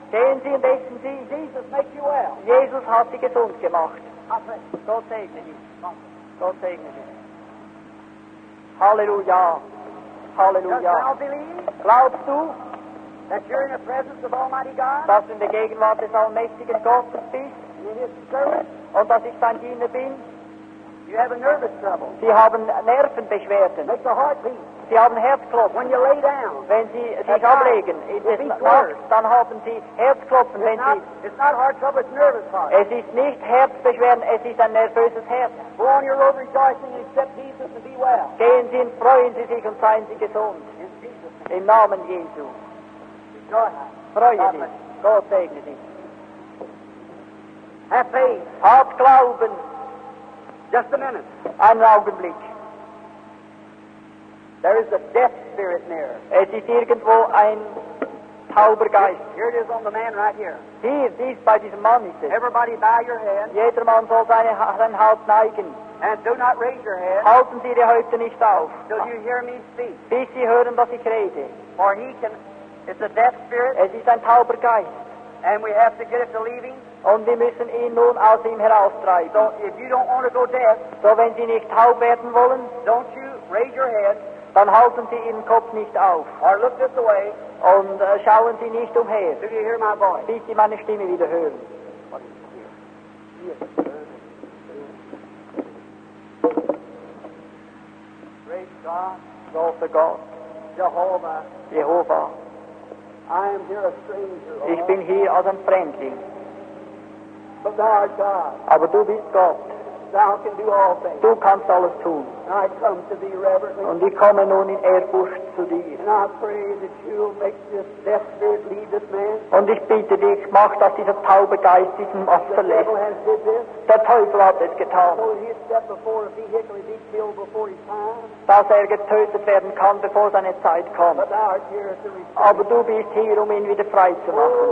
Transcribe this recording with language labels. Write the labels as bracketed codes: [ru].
[de] Gehen Sie und essen Sie. [en] Jesus makes you well. [de] Jesus hat Sie gesund gemacht. Gott segne Sie. Gott segne Sie. Halleluja. Halleluja. [en] Dost thou believe? [de] Glaubst du? [en] That you're in the presence of Almighty God? [de] Dass du in der Gegenwart des allmächtigen Gottes bist? [en] In his service? [de] Und dass ich dein Diener bin? [en] You have a nervous trouble. [de] Sie haben Nervenbeschwerden. [en] Make the heart beat. [de] Sie haben Herzklopfen. [en] When you lay down, [de] wenn Sie sich ablegen, dann haben Sie Herzklopfen. [en] It's not heart trouble, it's nervous heart. [de] Es ist nicht Herzbeschwerden, es ist ein nervöses Herz. [en] Go on your road rejoicing and accept Jesus and be well. [de] Gehen Sie und freuen Sie sich und seien Sie gesund. [en] In [de] Namen Jesu. Freue dich. Gott segne dich. [en] Have faith. [de] Hab Glauben. [en] Just a minute. [de] Einen Augenblick. [en] There is a deaf spirit near. [de] Es ist irgendwo ein tauber Geist. [en] Here it is on the man right here. [de] Hier, dies bei diesem Mann ist es. [en] Everybody bow your head. [de] Jeder Mann soll sein Haupt neigen. [en] And do not raise your head. [de] Halten Sie Ihre Häupte nicht auf. [en] Till you hear me speak. [de] Bis Sie hören, was ich rede. [en] For he can, it's a deaf spirit. [de] Es ist ein tauber Geist. [en] And we have to get it to leaving. [de] Und wir müssen ihn nun aus ihm heraustreiben. [en] So, if you don't want to go deaf, [de] so wenn Sie nicht taub werden wollen, [en] don't you raise your head, [de] dann halten Sie Ihren Kopf nicht auf. [en] Or look this way, [de] und schauen Sie nicht umher. [en] Do you hear my voice? [de] Bis Sie meine Stimme wieder hören. [en] Great God. Lord the God. Jehovah. [de] Jehovah. [en] I am here a stranger, [de] ich bin hier als ein Fremdling. [en] But thou art God. [de] Aber du bist Gott. [en] Thou can do all things. [de] Du kannst alles tun. [en] And I come to thee reverently. [de] Und ich komme nun in Ehrfurcht zu dir. [en] And I pray that you will make this deaf spirit leave this man. [de] Und ich bitte dich, mach, dass dieser taube Geist diesen Mann verlässt. [en] The devil has did this. [de] Der Teufel hat es getan. [en] So he'll step before a vehicle and be killed before his time. [de] Dass er getötet werden kann, bevor seine Zeit kommt. [en] But thou art here to receive. [de] Aber du bist hier, um ihn wieder frei zu machen.